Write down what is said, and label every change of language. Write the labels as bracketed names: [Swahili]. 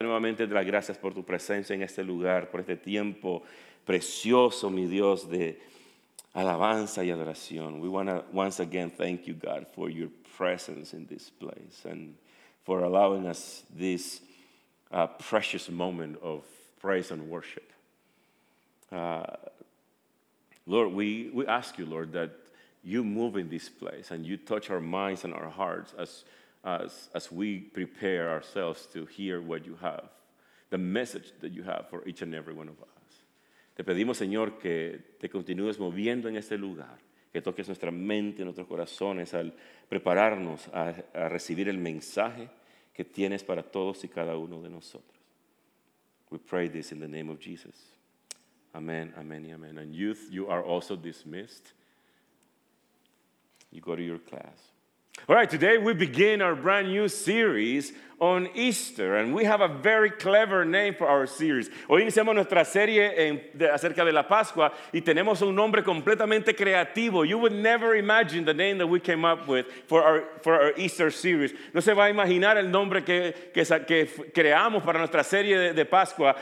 [Spanish] nuevamente te doy gracias por tu presencia en este lugar, por este tiempo precioso, mi Dios, de alabanza y adoración. [English] We want to once again thank you, God, for your presence in this place and for allowing us this precious moment of praise and worship. Lord, we ask you, Lord, that you move in this place and you touch our minds and our hearts as we prepare ourselves to hear what you have, the message that you have for each and every one of us. [Spanish] Te pedimos, Señor, que te continúes moviendo en este lugar, que toques nuestra mente y nuestros corazones al prepararnos a recibir el mensaje que tienes para todos y cada uno de nosotros. [English] We pray this in the name of Jesus. Amen, amen, y amen. And youth, you are also dismissed. You go to your class. All right, today we begin our brand new series on Easter, and we have a very clever name for our series. [Spanish] Hoy iniciamos nuestra serie acerca de la Pascua, y tenemos un nombre completamente creativo. [English] You would never imagine the name that we came up with for our Easter series. [Spanish] No se va a imaginar el nombre que creamos para nuestra serie de Pascua.